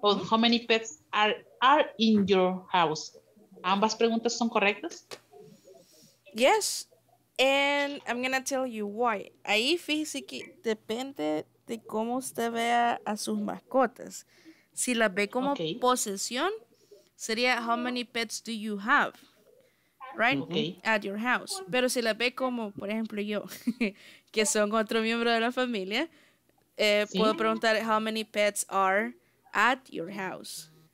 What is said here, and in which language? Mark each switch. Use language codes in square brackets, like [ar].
[en] Or how many pets are in your house? [es] ¿Ambas preguntas son correctas? [en] Yes, and I'm going to tell you why. [es] Ahí fíjese que depende de cómo usted vea a sus mascotas. Si las ve como posesión, sería [en] how many pets do you have? right? Okay. At your house. [es] Pero si la ve como, por ejemplo, yo, que son otro miembro de la familia, ¿sí? Puedo preguntar [en] how many pets are at your house.